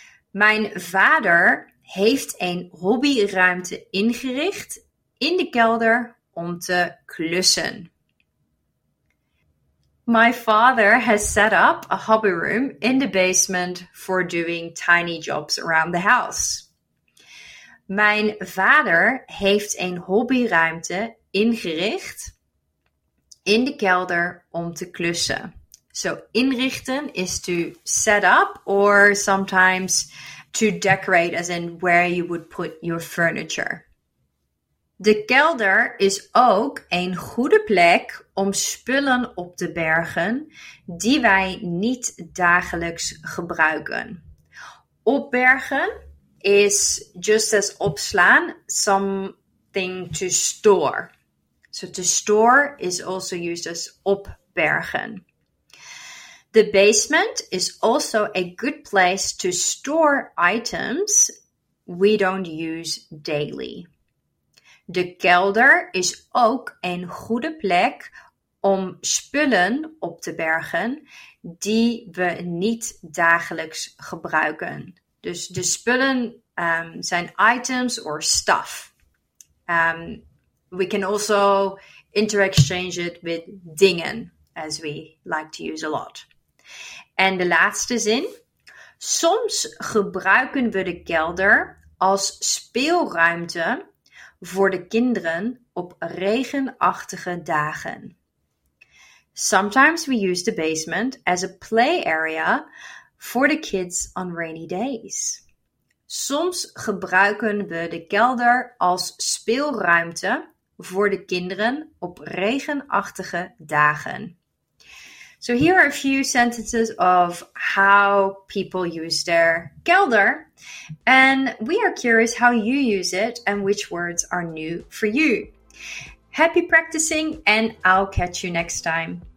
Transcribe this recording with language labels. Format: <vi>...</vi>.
<nl>Mijn vader heeft een hobbyruimte ingericht in de kelder om te klussen.</nl> <en>My father has set up a hobby room in the basement for doing tiny jobs around the house.</en> <nl>Mijn vader heeft een hobbyruimte ingericht in de kelder om te klussen.</nl> <en>So, inrichten is to set up or sometimes to decorate, as in where you would put your furniture.</en> <nl>De kelder is ook een goede plek om spullen op te bergen die wij niet dagelijks gebruiken.</nl> <en>Opbergen is just as opslaan, something to store. So to store is also used as opbergen. The basement is also a good place to store items we don't use daily.</en> <nl>De kelder is ook een goede plek om spullen op te bergen die we niet dagelijks gebruiken. Dus de spullen zijn items</nl> <en>or stuff. We can also interexchange it with dingen, as we like to use a lot.</en> <nl>En de laatste zin. Soms gebruiken we de kelder als speelruimte voor de kinderen op regenachtige dagen.</nl> <en>Sometimes we use the basement as a play area for the kids on rainy days.</en> <nl>Soms gebruiken we de kelder als speelruimte voor de kinderen op regenachtige dagen.</nl> <en>So here are a few sentences of how people use their kelder. And we are curious how you use it and which words are new for you. Happy practicing and I'll catch you next time.</en>